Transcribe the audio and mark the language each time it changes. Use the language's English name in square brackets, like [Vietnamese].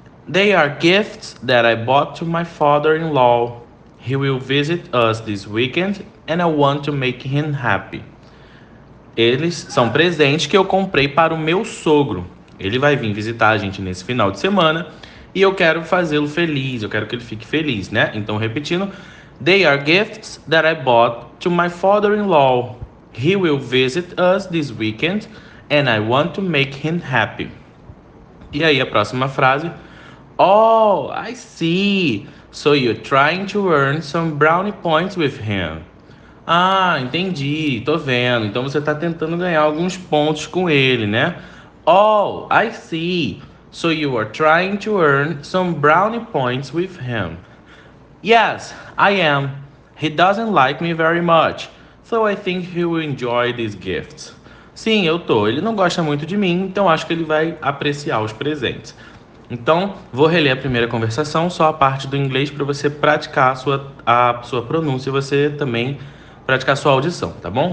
[English] They are gifts that I bought to my father-in-law. He will visit us this weekend and I want to make him happy. [Portuguese] Eles são presentes que eu comprei para o meu sogro. Ele vai vir visitar a gente nesse final de semana. E eu quero fazê-lo feliz, eu quero que ele fique feliz, né? Então, repetindo: [English] They are gifts that I bought to my father-in-law. He will visit us this weekend and I want to make him happy. [Portuguese] E aí, a próxima frase: [English] Oh, I see. So you're trying to earn some brownie points with him. [Portuguese] Ah, entendi, tô vendo. Então, você tá tentando ganhar alguns pontos com ele, né? [English] Oh, I see. So you are trying to earn some brownie points with him. Yes, I am. He doesn't like me very much, so I think he will enjoy these gifts. [Portuguese] Sim, eu tô. Ele não gosta muito de mim, então acho que ele vai apreciar os presentes. Então, vou reler a primeira conversação, só a parte do inglês para você praticar a sua pronúncia e você também praticar a sua audição, tá bom?